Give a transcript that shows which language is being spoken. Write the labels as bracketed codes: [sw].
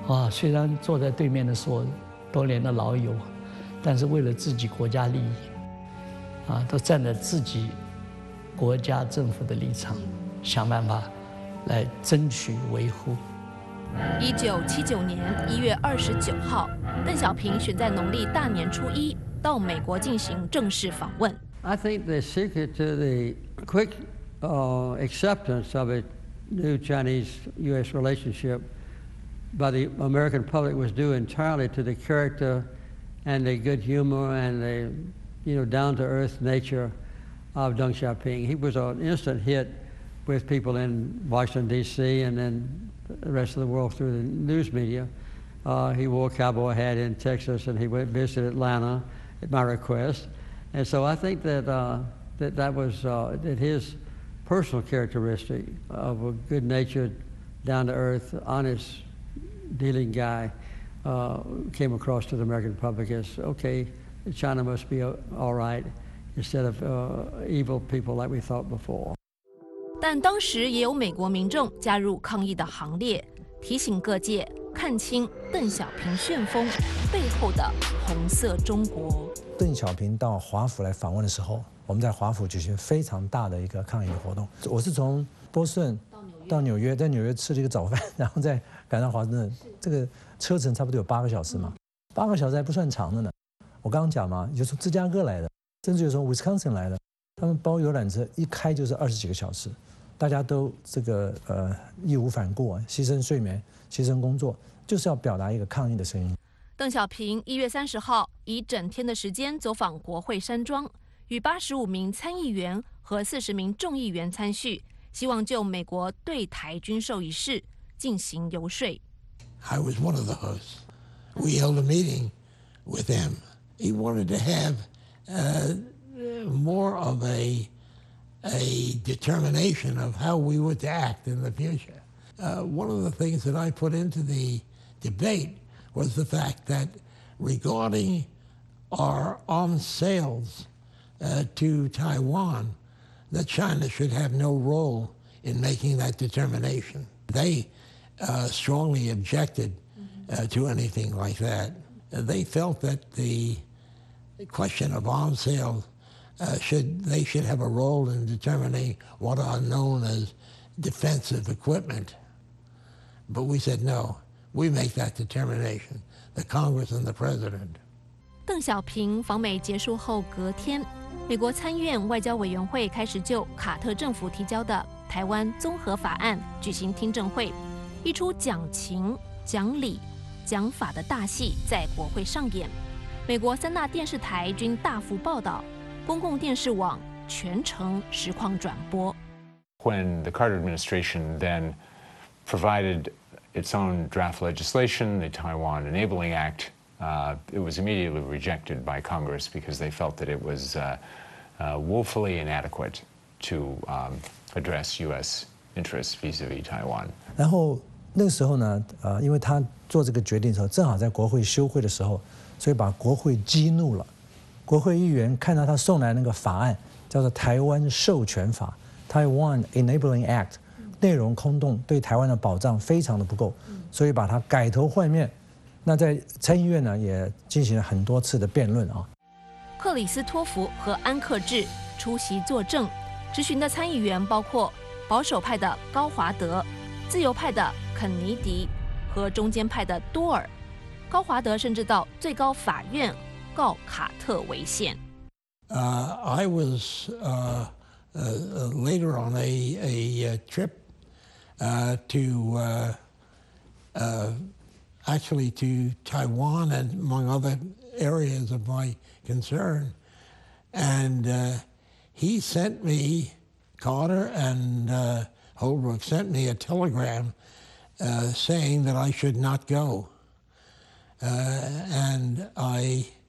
[zh] 虽然坐在对面的是我多年的老友，但是为了自己国家利益都站在自己国家政府的立场想办法来争取维护。 1979年1月29号，邓小平选在农历大年初一到美国进行正式访问。 [en] I think the secret to the quick acceptance of a new Chinese-U.S. relationship by the American public was due entirely to the character and the good humor and the, you know, down-to-earth nature of Deng Xiaoping. He was an instant hit with people in Washington, D.C., and then the rest of the world through the news media. He wore a cowboy hat in Texas, and he went and visited Atlanta at my request. And so I think that that his personal characteristic of a good-natured, down-to-earth, honest dealing guy came across to the American public as, okay, China must be all right, instead of evil people like we thought before. [zh] 但当时也有美国民众加入抗议的行列，提醒各界看清邓小平旋风背后的红色中国。邓小平到华府来访问的时候，我们在华府举行非常大的一个抗议活动。我是从波顺到纽约，在纽约吃了一个早饭，然后再赶到华盛顿。这个车程差不多有8个小时嘛，8个小时还不算长的呢。我刚刚讲嘛，有从芝加哥来的，甚至有从 Wisconsin 来的，他们包游览车一开就是20几个小时，大家都这个义无反顾，牺牲睡眠，牺牲工作，就是要表达一个抗议的声音。邓小平1月30号以整天的时间走访国会山庄，与85名参议员和40名众议员参叙，希望就美国对台军售一事进行游说。 [en] I was one of the hosts. We held a meeting with him. He wanted to have more of a determination of how we were to act in the future. One of the things that I put into the debate was the fact that regarding our arms sales to Taiwan, that China should have no role in making that determination. They strongly objected to anything like that. They felt that the question of arms sales should have a role in determining what are known as defensive equipment. But we said no, we make that determination, the Congress and the President. [zh] 邓小平访美结束后隔天，美国参院外交委员会开始就卡特政府提交的台湾综合法案举行听证会，一出讲情、讲理、讲法的大戏在国会上演。美国三大电视台均大幅报道，公共电视网全程实况转播。 [en] When the Carter administration then provided its own draft legislation, the Taiwan Enabling Act, it was immediately rejected by Congress because they felt that it was woefully inadequate to address U.S. interests vis-à-vis Taiwan. [zh] 然后那个时候呢，因为他做这个决定的时候，正好在国会休会的时候，所以把国会激怒了。国会议员看到他送来那个法案，叫做《台湾授权法》（Taiwan Enabling Act）， 内容空洞，对台湾的保障非常的不够，所以把它改头换面。那在参议院呢，也进行了很多次的辩论啊。克里斯托弗和安克智出席作证，质询的参议员包括保守派的高华德、自由派的肯尼迪和中间派的多尔。高华德甚至到最高法院告卡特违宪。 [en] I was later on a trip actually to Taiwan and among other areas of my concern, and he sent me, Carter and Holbrook sent me a telegram saying that I should not go, and I.